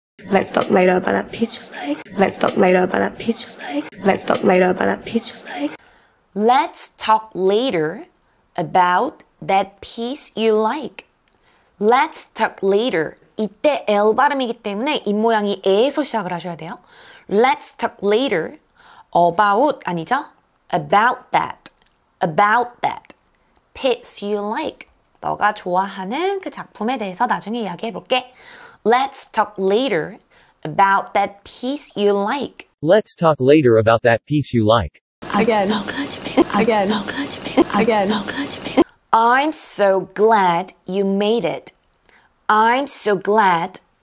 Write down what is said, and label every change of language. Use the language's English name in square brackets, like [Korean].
[English] Let's talk later about that piece you like. Let's talk later about that piece you like. Let's talk later about that piece you like. Let's talk later about that piece you like. Let's talk later. [Korean] 이때 L 발음이기 때문에 입모양이 에에서 시작을 하셔야 돼요. [English] Let's talk later about [Korean] 아니죠? [English] About that. About that. Piece you like. [Korean] 너가 좋아하는 그 작품에 대해서 나중에 이야기해 볼게. [English] Let's talk later about that piece you like. Let's talk later about that piece you like. Again. I'm so glad you made it. I'm so glad you made it. I'm so glad.